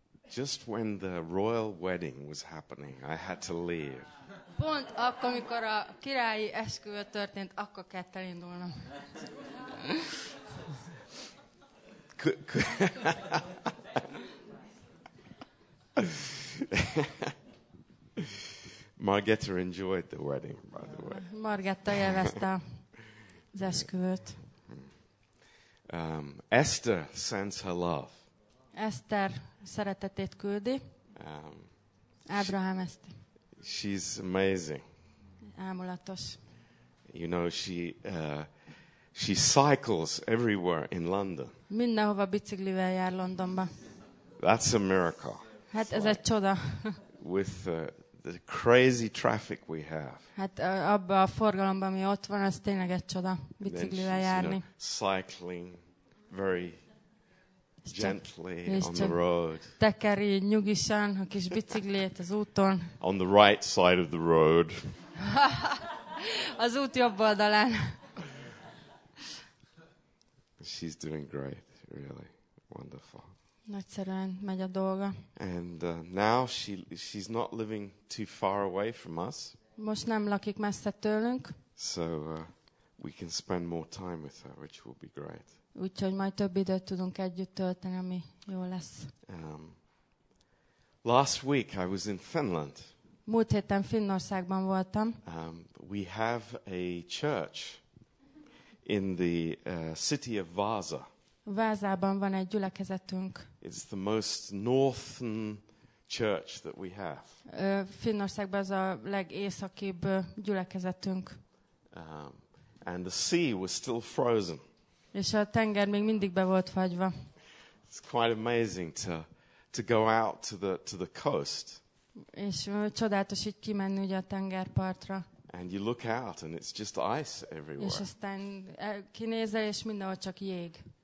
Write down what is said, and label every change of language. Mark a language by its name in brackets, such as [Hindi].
[English] Just when the royal wedding was happening, I had to leave. [Hungarian] Pont akkor, amikor a királyi esküvő történt, akkor kellett elindulnom. [English] Margetta enjoyed the wedding, by the way. [Hungarian] Margetta élvezte az esküvőt. [English] Esther sends her love. [Hungarian] Esther szeretetét küldi. Ábrahám ezt. [English] She's amazing. [Hungarian] Ámulatos. [English] You know, she cycles everywhere in London. [Hungarian] Mindenhova biciklivel jár Londonba. [English] That's a miracle. [Hungarian] Hát [English] it's [Hungarian] ez [English] like [Hungarian] egy csoda. [English] With the crazy traffic we have. [Hungarian] Hát abban a forgalomban, ami ott van, az tényleg egy csoda biciklivel járni. [English] You know, cycling very gently on the road. [Hungarian] Tekeri nyugisan a kis biciklét az úton. [English] On the right side of the road. [Hungarian] Az út jobb oldalán. [English] She's doing great, really wonderful. [Hungarian] Nagyszerűen megy a dolga. [English] And now she's not living too far away from us. [Hungarian] Most nem lakik messze tőlünk. [English] So we can spend more time with her, which will be great. [Hungarian] Úgyhogy majd több időt tudunk együtt tölteni, ami jó lesz. [English] Last week I was in Finland. [Hungarian] Múlt héten Finnországban voltam. [English] We have a church in the city of Vaasa. [Hungarian] Vázában van egy gyülekezetünk. [English] It's the most northern church that we have. [Hungarian] Finnországban az a legészakibb gyülekezetünk. [English] And the sea was still frozen. [Hungarian] És a tenger még mindig be volt fagyva. [English] It's quite amazing to go out to the coast. [Hungarian] És csodálatos így kimenni ugye a tengerpartra. [English] And you look out and it's just ice everywhere. [Hungarian] És aztán kinézel és mindenhol csak jég.